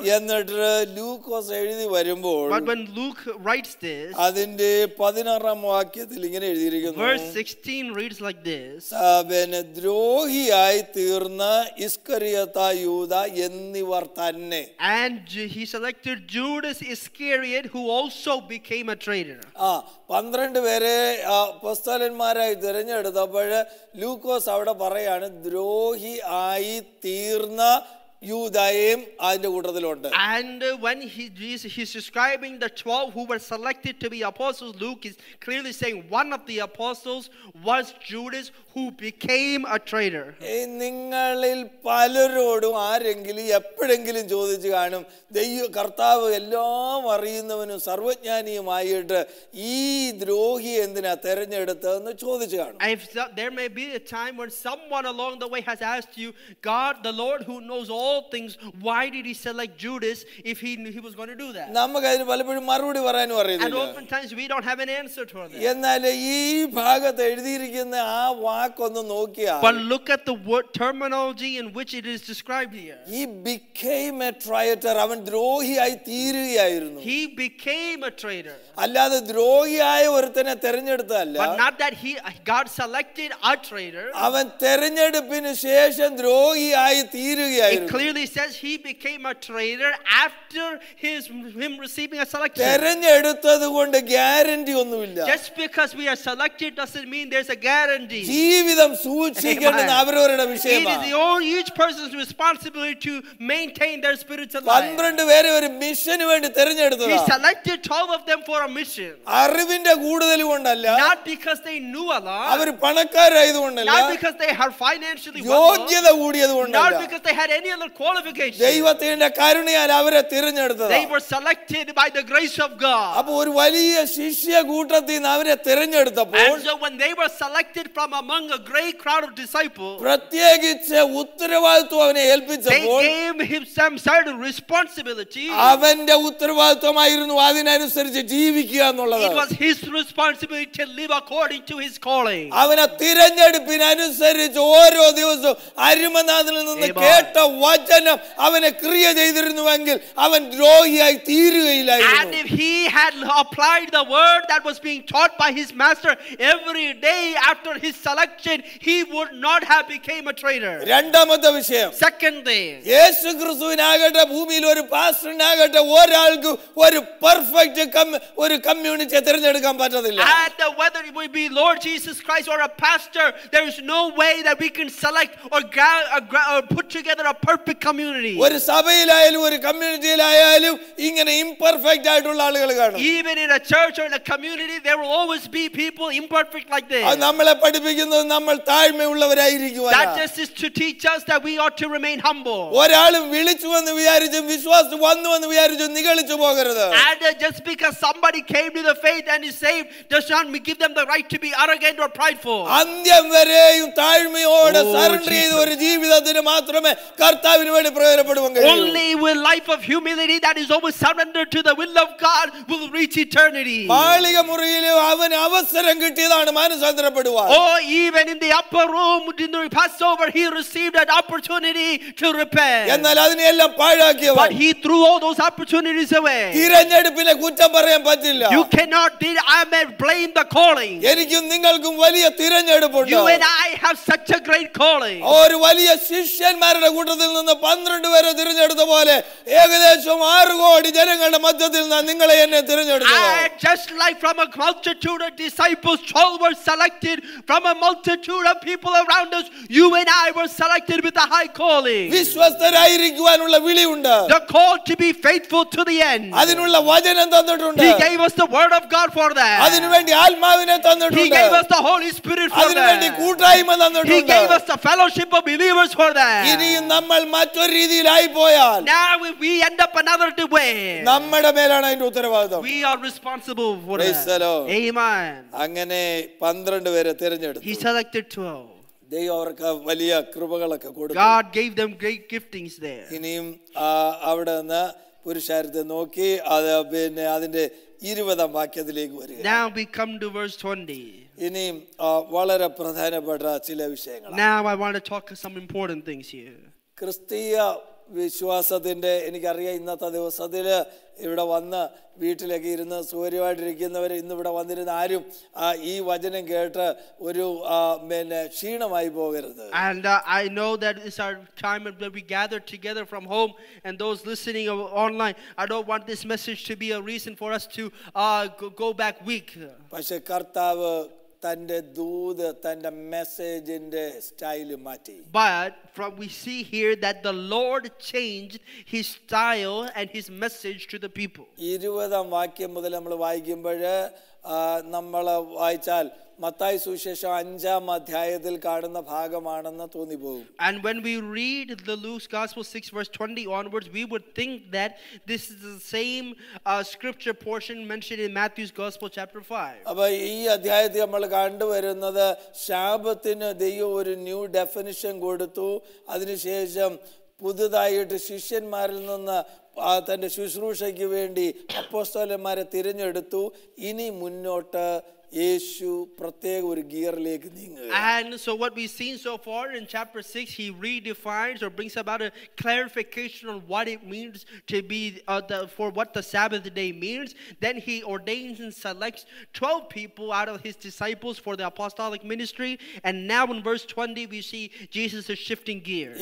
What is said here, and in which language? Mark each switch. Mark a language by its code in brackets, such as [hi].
[en] But when Luke writes this, verse 16 reads like this. And he selected Judas Iscariot, who also became a traitor. [ml] പന്ത്രണ്ട് പേരെ അപ്പോസ്തലന്മാരായി തിരഞ്ഞെടുത്തപ്പോൾ ലൂക്കോസ് അവിടെ പറയാണ് ദ്രോഹി ആയി തീർന്ന യൂദായും അതിന്റെ കൂട്ടത്തിലുണ്ട്. [en] And when he's describing the 12 who were selected to be apostles, Luke is clearly saying one of the apostles was Judas, who became a traitor. [ml] നിങ്ങളിൽ പലരോടും ആരെങ്കിലും എപ്പോഴെങ്കിലും ചോദിച്ചു കാണും, ദൈവ കർത്താവ് എല്ലാം അറിയുന്നവനും സർവജ്ഞാനിയുമായിട്ട് ഈ ദ്രോഹി എന്തിനാ തിരഞ്ഞെടുത്തതെന്ന് ചോദിച്ചു കാണും. [en] If there may be a time when someone along the way has asked you, God, the Lord who knows all things, why did he select Judas if he knew he was going to do that? [ml] നമുക്ക് അതിന് പലപ്പോഴും മറുപടി പറയാനും അറിയില്ല. [en] And often times we don't have an answer to that. [ml] എന്നാൽ ഈ ഭാഗത്ത് എഴുതിയിരിക്കുന്ന ആ വാക്കൊന്ന് നോക്കിയാൽ, [en] But look at the word terminology in which it is described here. He became a traitor. [ml] അവൻ ദ്രോഹിയായി തീരുകയായിരുന്നു. [en] He became a traitor. [ml] അല്ലാതെ ദ്രോഹിയായ ഒരുത്തനെ തിരഞ്ഞെടുത്തതല്ല. [en] But not that he God selected a traitor. [ml] അവൻ തിരഞ്ഞെടുപ്പിന് ശേഷം ദ്രോഹിയായി തീരുകയായിരുന്നു. [en] It clearly says he became a traitor after him receiving a selection. [ml] തിരഞ്ഞെടുത്തത് കൊണ്ട് guarantee ഒന്നുമില്ല. [en] Just because we are selected doesn't mean there's a guarantee. [ml] ജീവിതം സൂക്ഷിക്കേണ്ടത് അവരവരുടെ വിഷയമാണ്. [en] It is each person's responsibility to maintain their spiritual life. [ml] 12 പേരെ ഒരു മിഷനു വേണ്ടി തിരഞ്ഞെടുത്തു. [en] He selected 12 of them for a mission. [ml] അറിവിന്റെ കൂടുതൽ കൊണ്ടല്ല. [en] Not because they knew a lot. [ml] അവർ പണക്കാരായത് കൊണ്ടല്ല. [en] Not because they are financially wealthy. [ml] യോഗ്യത കൂടിയത് കൊണ്ടല്ല. [en] Not because they had any other qualification. [ml] ദൈവത്തിന്റെ കരുണയാൽ അവരെ തിരഞ്ഞെടുത്തത്. [en] They were selected by the grace of God. [ml] അപ്പോൾ ഒരു വലിയ ശിഷ്യ കൂട്ടത്തിൽ നിന്ന് അവരെ തിരഞ്ഞെടുത്തപ്പോൾ. [en] And so when they were selected from among a great crowd of disciples. [ml] പ്രത്യേകിച്ച് ഉത്തരവാദിത്വം അവനെ ഏൽപ്പിച്ചപ്പോൾ. [en] They gave him some sort of responsibility. [ml] അവന്റെ ഉത്തരവാദിത്വമായിരുന്നു അതിനനുസരിച്ച് ജീവിക്കുക എന്നുള്ളത്. [en] It was his responsibility to live according to his calling. [ml] അവനെ തിരഞ്ഞെടുപ്പിനനുസരിച്ച് ഓരോ ദിവസവും അരുമനാഥിൽ നിന്ന് കേട്ട വചനം അവനെ ക്രിയ ചെയ്തിരുന്നുവെങ്കിൽ അവൻ ദ്രോഹിയായി തീരുകയില്ലായിരുന്നു. [en] And if he had applied the word that was being taught by his master every day after his selection, he would not have became a traitor. [ml] രണ്ടാമത്തെ വിഷയം. [en] Second thing. [ml] യേശുക്രിസ്തുവിനാകട്ടെ ഭൂമിയിൽ ഒരു പാസ്റ്ററിനാകട്ടെ ഒരാൾക്ക് ഒരു പെർഫെക്റ്റ് ഒരു കമ്മ്യൂണിറ്റി തിരഞ്ഞെടുക്കാൻ പറ്റില്ല. [en] And whether it be Lord Jesus Christ or a pastor, there is no way that we can select or put together a perfect community. [ml] ഒരു സഭയിലായാലും ഒരു കമ്മ്യൂണിറ്റിയിലായാലും ഇങ്ങനെ ഇംപെർഫെക്റ്റ് ആയിട്ടുള്ള ആളുകൾ കാണും. [en] Even in a church or in a community, there will always be people imperfect like this. [ml] അത് നമ്മളെ പഠിപ്പിക്കുന്നത് നമ്മൾ താഴ്മയുള്ളവരായിരിക്കുവാനാണ്. [en] That just is to teach us that we ought to remain humble. [ml] ഒരാളും വിളിച്ചു എന്ന് വിചാരിച്ചും വിശ്വാസം വന്നു എന്ന് വിചാരിച്ചും നിഗളിച്ചു പോകരുത്. [en] And just because somebody came to the faith and is saved does not give them the right to be arrogant or prideful. [ml] അന്ത്യം വരെയും താഴ്മയോടെ സറണ്ടർ ചെയ്ത ഒരു ജീവിതത്തിന് മാത്രമേ കർത്താവിന് വേണ്ടി പ്രയോജനപ്പെടുവാൻ കഴിയൂ. [en] Only with life of humility that is always surrendered to the will of God will reach eternity. [ml] മാളിക മുറിയിലെ അവൻ അവസരം കിട്ടിയതാണ് മാനസാന്തരപ്പെടുവാൻ. [en] Oh, even in the upper room during the Passover he received an opportunity to repent. [ml] എന്നാൽ അതിനെല്ലാം പാഴാക്കിയവൻ. [en] But he threw all those opportunities away. [ml] തിരഞ്ഞെടുപ്പിനെ കുറ്റം പറയാൻ പറ്റില്ല. [en] You cannot I'm blame the calling. [ml] എനിക്കും നിങ്ങൾക്കും വലിയ തിരഞ്ഞെടുപ്പുണ്ട്. [en] You and I have such a great calling. [ml] ഒരു വലിയ ശിഷ്യന്മാരുടെ കൂട്ടത്തിൽ നിന്ന് 12 പേരെ തിരഞ്ഞെടുത്ത പോലെ ഏകദേശം 6 കോടി ജനങ്ങളുടെ മധ്യത്തിൽ നിന്ന് നിങ്ങളെ എന്നെ തിരഞ്ഞെടുത്തു. [en] Just like from a multitude of disciples, 12 were selected from a multitude of people around us. You and I were selected with a high calling. [ml] വിശ്വസ്തരായിരിക്കുവാനുള്ള വിളിയുണ്ട്. [en] The call to be faithful to the end. [ml] അതിനുള്ള വചനം തന്നിട്ടുണ്ട്. [en] He gave us the word of God for that. [ml] അതിനുവേണ്ടി ആത്മാവിനെ തന്നിട്ടുണ്ട്. [en] He gave us the Holy Spirit for that. [ml] അതിനുവേണ്ടി കൂട്ടായ്മ തന്നിട്ടുണ്ട്. [en] He gave us the fellowship of believers for that. [ml] ഇനിയും നമ്മൾ മറ്റൊരു രീതിയിലായി പോയാൽ. [en] Now we end up another way. [ml] നമ്മുടെ മേലാണ് അതിന്റെ ഉത്തരവാദിത്വം. [en] We are responsible for that. Praise the Lord. Amen. [ml] അങ്ങനെ 12 പേരെ തിരഞ്ഞെടുത്തു. [en] He selected 12. [ml] ദൈവർക്ക് വലിയ കൃപകളൊക്കെ കൊടുത്തു. [en] God gave them great giftings there. [ml] ഇനിയും അവിടെ നിന്ന് പുരുഷാരത്തെ നോക്കി അത് പിന്നെ അതിന്റെ 20-ാം വാക്യത്തിലേക്ക് വരിക. [en] Now we come to verse 20. [ml] ഇനിയും വളരെ പ്രധാനപ്പെട്ട ചില വിഷയങ്ങൾ. [en] Now I want to talk some important things here. [ml] ക്രിസ്തീയ വിശ്വാസത്തിന്റെ എനിക്കറിയാം ഇന്നത്തെ ദിവസത്തിൽ ഇവിടെ വന്ന് വീട്ടിലൊക്കെ ഇരുന്ന് സൗകര്യമായിട്ടിരിക്കുന്നവർ ഇന്ന് ഇവിടെ വന്നിരുന്ന ആരും ഈ വചനം കേട്ട് ഒരു പിന്നെ ക്ഷീണമായി പോകരുത്. [en] And I know that this our time when we gather together from home and those listening online, I don't want this message to be a reason for us to go back weak. [ml] പക്ഷേ കർത്താവ് തന്റെ ദൂത് തന്റെ മെസ്സേജിന്റെ style മാറ്റി. [en] But from we see here that the Lord changed his style and his message to the people. [ml] 20-ാം വാക്യം മുതൽ നമ്മൾ വായിക്കുമ്പോൾ നമ്മൾ വായിച്ചാൽ മത്തായി സുവിശേഷം 5-ാം അധ്യായത്തിൽ കാണുന്ന ഭാഗമാണെന്ന് തോന്നിപ്പോകും. [en] And when we read the Luke's Gospel 6 verse 20 onwards, we would think that this is the same scripture portion mentioned in Matthew's Gospel chapter 5. [ml] അപ്പോൾ ഈ അധ്യായത്തിൽ നമ്മൾ കണ്ടുവരുന്നത് ശാപത്തിന് ദൈവം ഒരു ന്യൂ ഡെഫിനിഷൻ കൊടുത്തു, അതിനുശേഷം പുതുതായിട്ട് ശിഷ്യന്മാരിൽ നിന്ന് തന്റെ ശുശ്രൂഷയ്ക്ക് വേണ്ടി അപ്പോസ്തലന്മാരെ തിരഞ്ഞെടുത്തു, ഇനി മുന്നോട്ട് യേശു പ്രത്യേക ഒരു ഗിയറിലേക്ക് നീങ്ങുകയാണ്. [en] And so what we've seen so far in chapter 6, he redefines or brings about a clarification on what it means to be what the Sabbath day means. Then he ordains and selects 12 people out of his disciples for the apostolic ministry. And now in verse 20, we see Jesus is shifting gears.